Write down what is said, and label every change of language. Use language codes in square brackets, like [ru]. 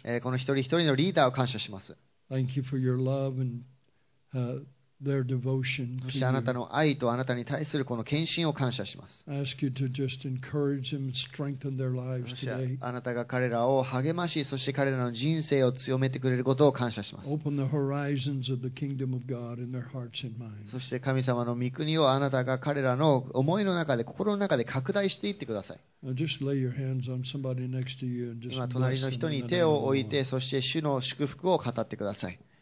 [ja] この一人一人のリーダーを感謝します。 [en] Thank you for your love and, their devotion. [ja] そしてあなたの愛とあなたに対するこの献身を感謝します。 [en] Ask you to just encourage them, strengthen their lives today. [ja] あなたが彼らを励まし、そして彼らの人生を強めてくれることを感謝します。 [en] Open the horizons of the kingdom of God in their hearts and minds. [ja] そして神様の御国をあなたが彼らの思いの中で、心の中で拡大していってください。 [en] Just lay your hands on somebody next to you and just bless [ja] them. 今隣の人に手を置いて、そして主の祝福を語ってください。